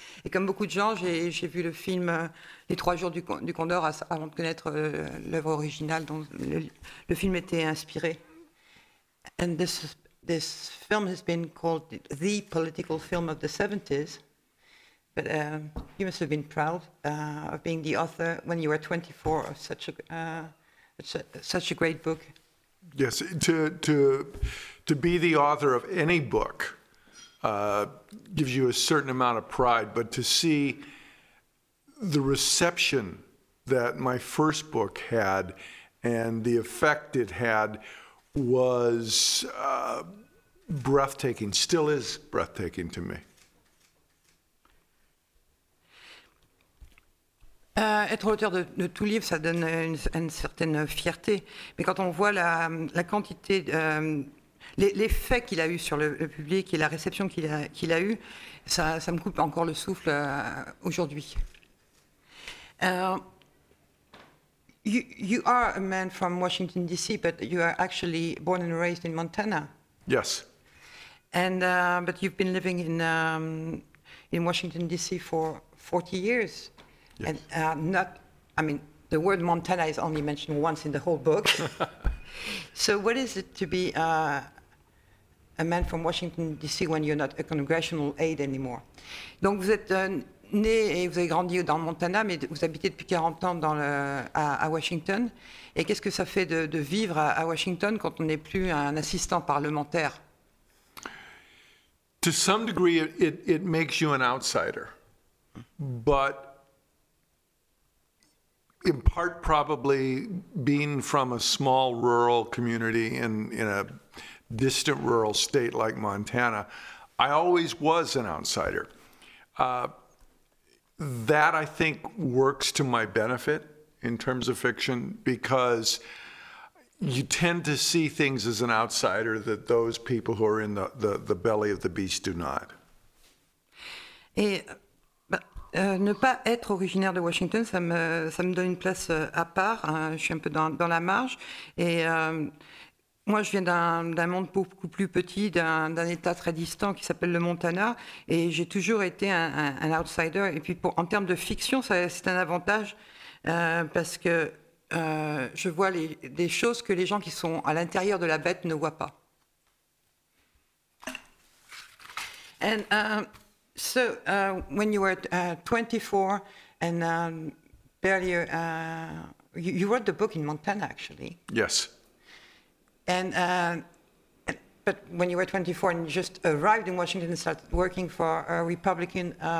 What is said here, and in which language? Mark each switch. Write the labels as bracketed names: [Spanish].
[French] Et comme beaucoup de gens, j'ai vu le film Les Trois Jours du Condor avant de connaître l'œuvre originale dont le film était inspiré. [English] And this film has been called the political film of the 70s. But you must have been proud of being the author when you were 24 of such a great book. Yes, to be the author of any book gives you a certain amount of pride, but to see the reception that my first book had and the effect it had was breathtaking, still is breathtaking to me. [French] Être auteur de tout livre, ça donne une certaine fierté, mais quand on voit la quantité l'effet qu'il a eu sur le public et la réception qu'il a eu, ça me coupe encore le souffle aujourd'hui. [English] You are a man from Washington DC, but you are actually born and raised in Montana. Yes. And but you've been living in Washington DC for 40 years. Yes. And the word Montana is only mentioned once in the whole book. So what is it to be a man from Washington, D.C., when you're not a congressional aide anymore. [French] Donc, vous êtes né et vous avez grandi dans le Montana, mais vous habitez depuis 40 ans à Washington. Et qu'est-ce que ça fait de vivre à Washington quand on n'est plus un assistant parlementaire? [English] To some degree, it makes you an outsider. But in part, probably, being from a small rural community in a distant rural state like Montana, I always was an outsider. That, I think, works to my benefit in terms of fiction, because you tend to see things as an outsider that those people who are in the belly of the beast do not. [French] Et ne pas être originaire de Washington, ça me donne une place à part. Hein. Je suis un peu dans la marge. Et moi, je viens d'un monde beaucoup plus petit, d'un état très distant qui s'appelle le Montana, et j'ai toujours été un outsider. Et puis, en termes de fiction, c'est un avantage parce que je vois des choses que les gens qui sont à l'intérieur de la bête ne voient pas. [English] And so, when you were 24 and barely, you wrote the book in Montana, actually. Yes. And but when you were 24 and you just arrived in Washington and started working for a Republican